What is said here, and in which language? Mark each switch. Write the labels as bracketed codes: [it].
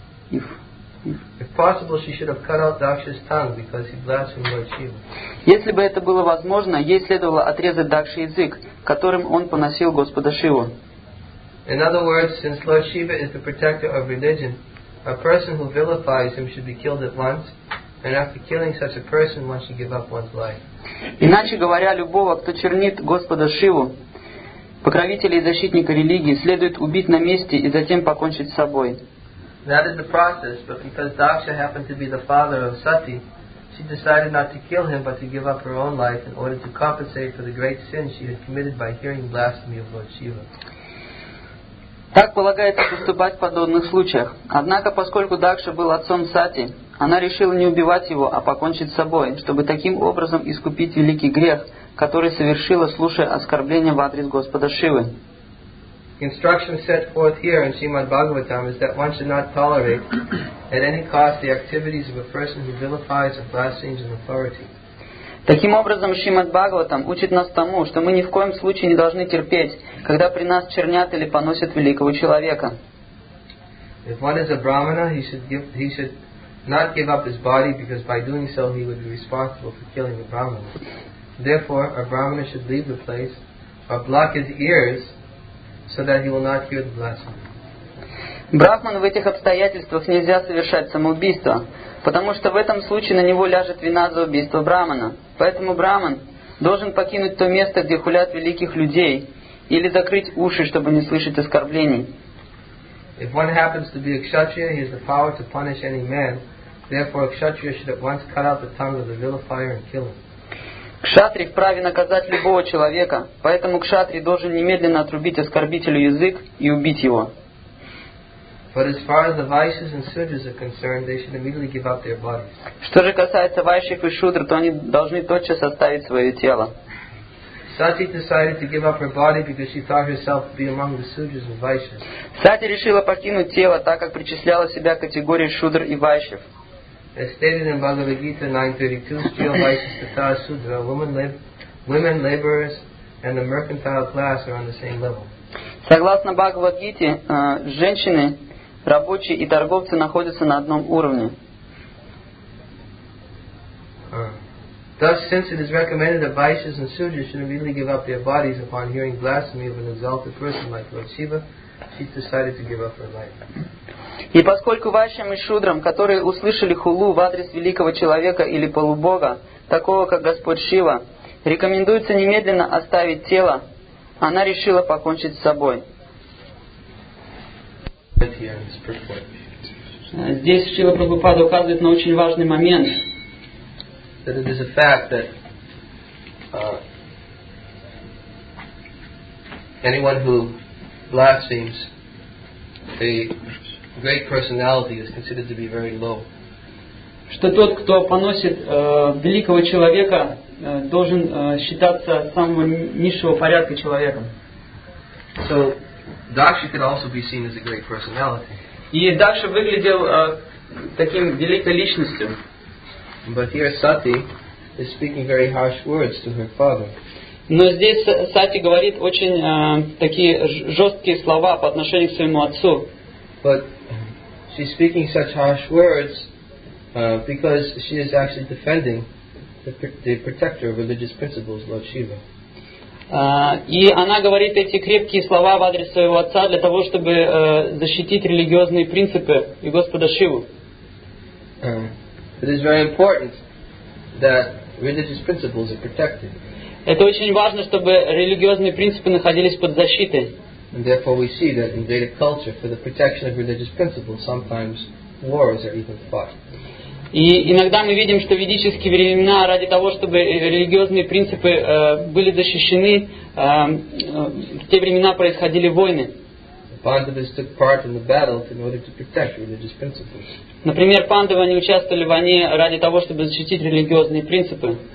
[en] If possible, she should have cut out Daksha's tongue because he blasphemed Lord Shiva. [ru] Если бы это было возможно, ей следовало отрезать Дакше язык, которым он поносил Господа Шиву. [en] In other words, since Lord Shiva is the protector of religion, a person who vilifies him should be killed at once. And after killing such a person, one should give up one's life. [ru] Иначе говоря, любого, кто чернит Господа Шиву, покровителя и защитника религии, следует убить на месте и затем покончить с собой. [en] That is the process, but because Daksha happened to be the father of Sati, she decided not to kill him, but to give up her own life in order to compensate for the great sin she had committed by hearing blasphemy of Lord Shiva. [ru] Так полагается поступать в подобных случаях. Однако, поскольку Дакша был отцом Сати, она решила не убивать его, а покончить с собой, чтобы таким образом искупить великий грех, который совершила, слушая оскорбление в адрес Господа Шивы. [en] Instruction set forth here in Srimad Bhagavatam is that one should not tolerate at any cost the activities of a person who vilifies or blasphemes an authority. [ru] Таким образом, Шримад Бхагаватам учит нас тому, что мы ни в коем случае не должны терпеть, когда при нас чернят или поносят великого человека. [en] If one is a brahmana, he should not give up his body, because by doing so he would be responsible for killing a brahmana. Therefore, a brahmana should leave the place or block his ears so that he will not hear the blasphemy. [ru] Брахману в этих обстоятельствах нельзя совершать самоубийство, потому что в этом случае на него ляжет вина за убийство брахмана. Поэтому брахман должен покинуть то место, где хулят великих людей, или закрыть уши, чтобы не слышать оскорблений. [en] If one happens to be a kshatriya, he has the power to punish any man. Therefore, a kshatriya should at once cut out the tongue of the vilifier and kill him. [ru] Кшатри вправе наказать любого человека, поэтому кшатри должен немедленно отрубить оскорбителю язык и убить его. [en] But as far as the vices and sudras are concerned, they should immediately give up their bodies. [ru] Что же касается вайшев и шудр, то они должны тотчас оставить свое тело. [en] Sati decided to give up her body because she thought herself to be among the sudras and vices. [ru] Sati решила покинуть тело, так как причисляла себя к категории шудр и вайшев. [en] As stated in Bhagavad Gita 9:32, steal vices to tar sudra, women laborers and the mercantile class are on the same level. [ru] Согласно Бхагавад Гите, женщины, рабочие и торговцы находятся на одном уровне. [en] Thus, since it is recommended that vaishyas and sudras should immediately give up their bodies upon hearing blasphemy of an exalted person like Lord Shiva, she decided to give up her life. [ru] И поскольку вайшьям и шудрам, которые услышали хулу в адрес великого человека или полубога, такого как Господь Шива, рекомендуется немедленно оставить тело, она решила покончить с собой. Здесь Шрила Прабхупада указывает на очень важный момент. [en] That it is a fact that anyone who blasphemes, the great personality is considered to be very low. [ru] Что тот, кто поносит великого человека, должен считаться самого низшего порядка человеком. [en] So, Дакша could also be seen as a great personality. [ru] И Дакша выглядел таким великой личностью. [en] But here Sati is speaking very harsh words to her father. [ru] Но здесь Сати говорит очень такие жесткие слова по отношению к своему отцу. [en] But she's speaking such harsh words because she is actually defending the protector of religious principles, Lord Shiva. [ru] И она говорит эти крепкие слова в адрес своего отца для того, чтобы защитить религиозные принципы и Господа Шиву. [en] It is very important that religious principles are protected. [ru] Это очень важно, чтобы религиозные принципы находились под защитой. [en] And therefore we see that in Vedic culture, for the protection of religious principles, sometimes wars are even fought. [ru] И иногда мы видим, что ведические времена ради того, чтобы религиозные принципы были защищены, в те времена происходили войны. Например, пандавы не участвовали в войне ради того, чтобы защитить религиозные принципы.